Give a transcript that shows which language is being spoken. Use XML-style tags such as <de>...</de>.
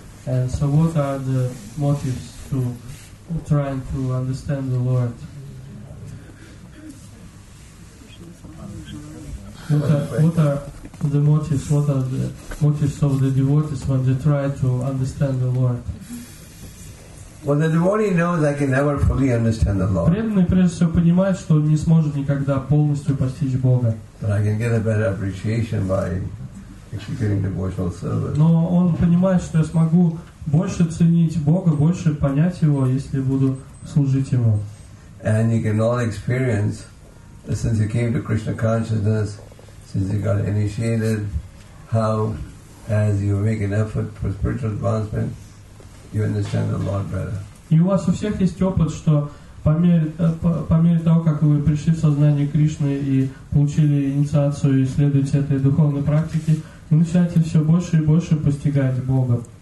<en>And so what are the motives to trying to understand the Lord? What are the motives of the devotees when they try to understand the Lord? Well, the devotee knows I can never fully understand the Lord.</en> <ru>Преданный прежде всего понимает, что он не сможет никогда полностью постичь Бога.</ru> <en>But I can get a better appreciation by executing devotional service.</en> <ru>Но он понимает, что я смогу больше ценить Бога, больше понять Его, если буду служить Ему.</ru> <en>And you can all experience since he came to Krishna consciousness, since he got initiated, how, as you make an effort for spiritual advancement, you understand the Lord better.</en> <ru>И у вас у всех есть опыт, что по мере того, как вы пришли в сознание Кришны и получили инициацию и следуете этой духовной практике, вы начинаете все больше и больше постигать Бога.</ru>